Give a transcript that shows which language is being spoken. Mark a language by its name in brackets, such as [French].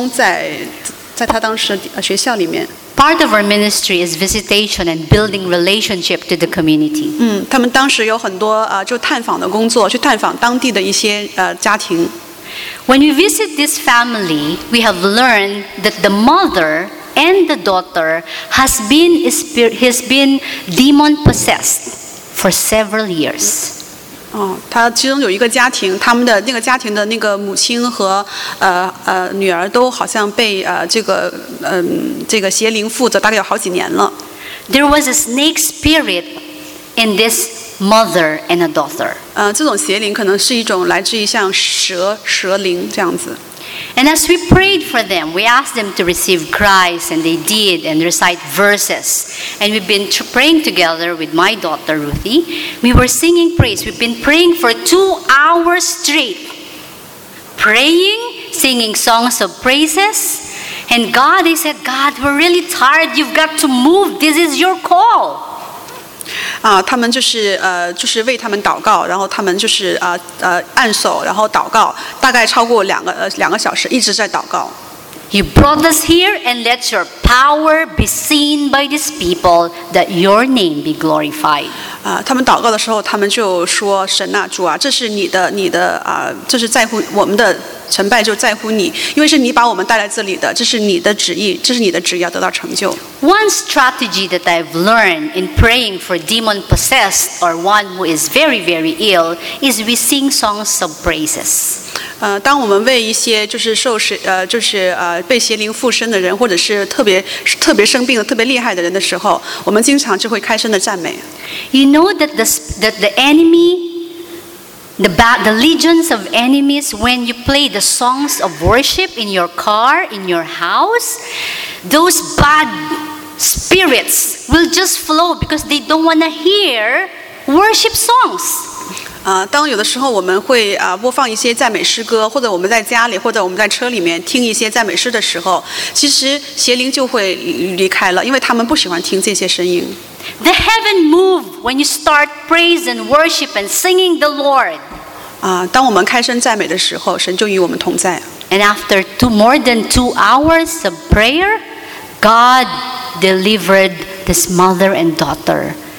[Chinese] 去年的时候，他说他在去年的时候，他有一个这个施工在他当时学校里面。 [English] Part of our ministry is visitation and building relationship to the community. [Chinese] 他们当时有很多就探访的工作，去探访当地的一些家庭。 [English] When we visit this family, we have learned that the mother and the daughter has been demon possessed for several years. [Chinese] 他其中有一个家庭，他们的那个家庭的那个母亲和女儿都好像被这个邪灵附着，大概有好几年了。 [English] There was a snake spirit in this mother and a daughter. [Chinese] 这种邪灵可能是一种来自于像蛇灵这样子。 [English] And as we prayed for them, we asked them to receive Christ, and they did, and recite verses. And we've been praying together with my daughter, Ruthie. We were singing praise. We've been praying for 2 hours straight, praying, singing songs of praises, and God, they said, God, we're really tired. You've got to move. This is your call. [Chinese] 他们就是就是为他们祷告，然后他们就是按手，然后祷告，大概超过两个小时，一直在祷告。 [English] You brought us here, and let your power be seen by these people, that your name be glorified. [Chinese] 他们祷告的时候，他们就说：“神啊，主啊，这是你的这是在乎我们的成败，就在乎你，因为是你把我们带来这里的，这是你的旨意，这是你的旨意要得到成就。” [English] One strategy that I've learned in praying for demon possessed or one who is very, very ill is we sing songs of praises. [Chinese] 当我们为一些就是受是就是被邪灵附身的人，或者是特别生病的、特别厉害的人的时候，我们经常就会开声的赞美。 [English] You know that the enemy, the legions of enemies, when you play the songs of worship in your car, in your house, those bad spirits will just flow because they don't want to hear worship songs. [Chinese] 当有的时候我们会播放一些赞美诗歌，或者我们在家里，或者我们在车里面听一些赞美诗的时候，其实邪灵就会离开了，因为他们不喜欢听这些声音。 [English] The heaven move when you start praise and worship and singing the Lord. [Chinese] 当我们开声赞美的时候，神就与我们同在。 [English] And after more than two hours of prayer, God delivered this mother and daughter.